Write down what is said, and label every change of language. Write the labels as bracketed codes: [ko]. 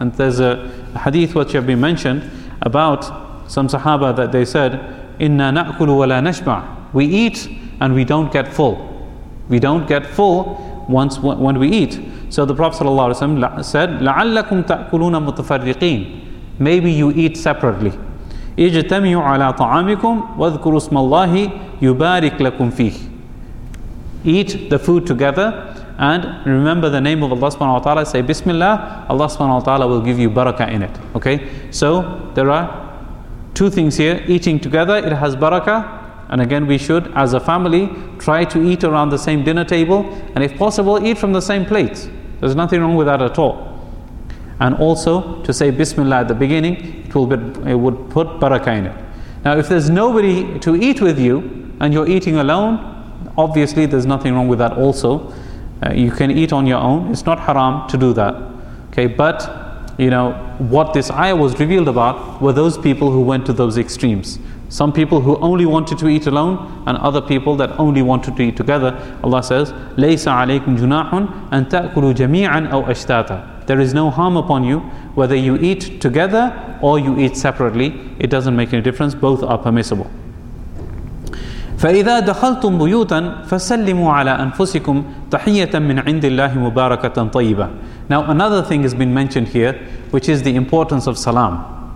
[en] And there's a hadith which have been mentioned about some sahaba that they said, [ar] Inna na'kulu wa la nashba. [en] We eat and we don't get full. We don't get full once when we eat. So the Prophet ﷺ said, [ar] لَعَلَّكُمْ تَأْكُلُونَ مُتَفَرِّقِينَ. [en] Maybe you eat separately. [ar] اجتمعوا على طعامكم واذكروا اسم الله يبارك لكم فيه. [en] Eat the food together and remember the name of Allah subhanahu wa ta'ala. Say Bismillah, Allah subhanahu wa ta'ala will give you barakah in it. Okay? So there are two things here. Eating together, it has barakah. And again, we should, as a family, try to eat around the same dinner table. And if possible, eat from the same plates. There's nothing wrong with that at all. And also, to say Bismillah at the beginning, it would put barakah in it. Now, if there's nobody to eat with you, and you're eating alone, obviously there's nothing wrong with that also. You can eat on your own. It's not haram to do that. Okay, but, you know, what this ayah was revealed about were those people who went to those extremes. Some people who only wanted to eat alone, and other people that only wanted to eat together. Allah says, [ar] لَيْسَ عَلَيْكُمْ جُنَاحٌ أَن تَأْكُلُوا جَمِيعًا أَوْ أَشْتَاتًا. [en] There is no harm upon you, whether you eat together or you eat separately. It doesn't make any difference. Both are permissible. [ar] فَإِذَا دَخَلْتُمْ بُيُوتًا فَسَلِّمُوا عَلَىٰ أَنفُسِكُمْ تَحِيَّةً مِّنْ عِنْدِ اللَّهِ مُبَارَكَةً طَيِّبًا. [en] Now another thing has been mentioned here, which is the importance of salam.